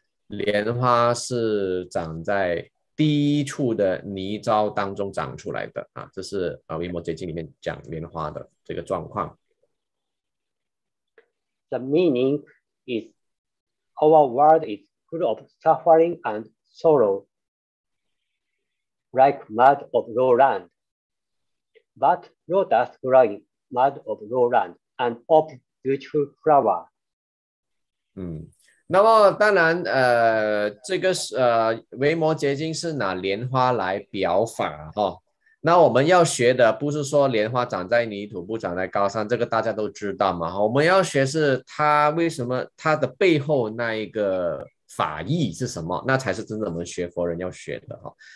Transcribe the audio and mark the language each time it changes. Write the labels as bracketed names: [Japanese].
[Chinese] 莲花是长在低处的泥沼当中长出来的啊，这是《维摩诘经》里面讲莲花的这个状况。 [English] The meaning is our world is full of suffering and sorrow, like mud of lowland. But lotus growing mud of lowland and of beautiful flower. [Chinese] 那么当然这个维摩诘经是拿莲花来表法哈、哦。那我们要学的不是说莲花长在泥土不长在高山，这个大家都知道嘛。我们要学是它为什么，它的背后那一个法义是什么，那才是真正我们学佛人要学的哈、哦。